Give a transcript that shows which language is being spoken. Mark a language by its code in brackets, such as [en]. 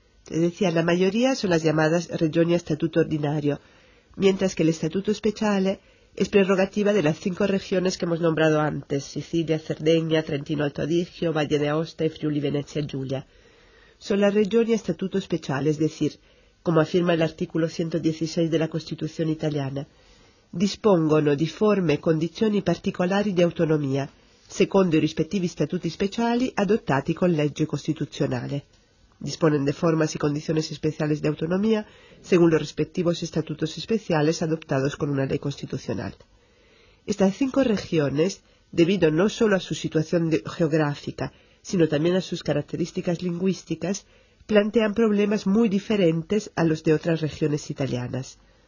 [es] Te decía, la mayoría son las llamadas regioni a statuto ordinario, mientras que el statuto speciale es prerrogativa de las 5 regiones que hemos nombrado antes, Sicilia, Cerdeña, Trentino Alto Adigio, Valle de Aosta y Friuli Venezia Giulia. Son las regioni a statuto speciale, es decir, como afirma el artículo 116 de la Constitución italiana, [it] dispongono di forme e condizioni particolari di autonomia, secondo i rispettivi statuti speciali adottati con legge costituzionale. [es] Disponen de formas y condiciones especiales de autonomía según los respectivos estatutos especiales adoptados con una ley constitucional. Estas cinco regiones, debido no solo a su situación geográfica, sino también a sus características lingüísticas, plantean problemas muy diferentes a los de otras regiones italianas.